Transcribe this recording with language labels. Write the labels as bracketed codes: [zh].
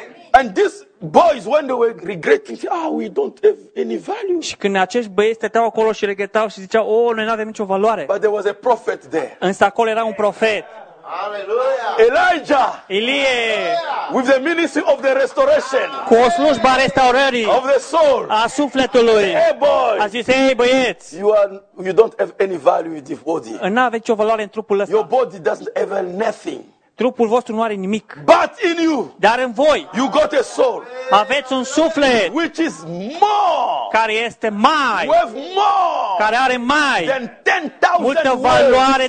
[en] And this boys, when they were regretting, we don't have any value. [ro] Și când acești băieți stăteau acolo și regretau și ziceau, noi n-avem nicio valoare. [en] But there was a prophet there. [ro] Însă acolo era un profet. Hallelujah. [en] Elijah. [ro] Elie. [en] With the ministry of the restoration. [ro] Cu o slujba restaurării. [en] Of the soul. [ro] A sufletului. [en] Hey boys. [ro] A zis, hey băieți. [en] You don't have any value in the body. [ro] N-aveți nicio valoare în trupul ăsta. [en] Your body doesn't have nothing. [ro] Trupul vostru nu are nimic. [en] But in you, [ro] dar în voi, [en] you got a soul, [ro] aveți un suflet, [en] which is more, [ro] care este mai, [en] you have more, [ro] care are mai [en] than 10,000 [ro] multă valoare